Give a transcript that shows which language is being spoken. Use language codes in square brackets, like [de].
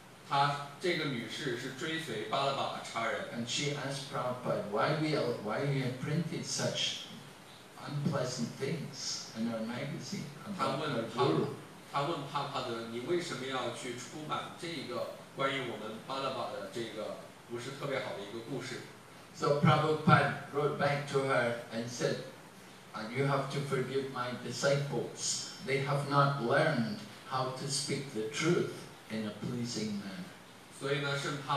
[zh] 她这个女士是追随巴拉巴查人。 [en] And she asked Prabhupada, why we have printed such unpleasant things in our magazine about our guru? [zh] 她问帕帕德，你为什么要去出版这个关于我们巴拉巴的这个不是特别好的一个故事？ [en] So Prabhupada wrote back to her and said, you have to forgive my disciples. They have not learned how to speak the truth in a pleasing manner.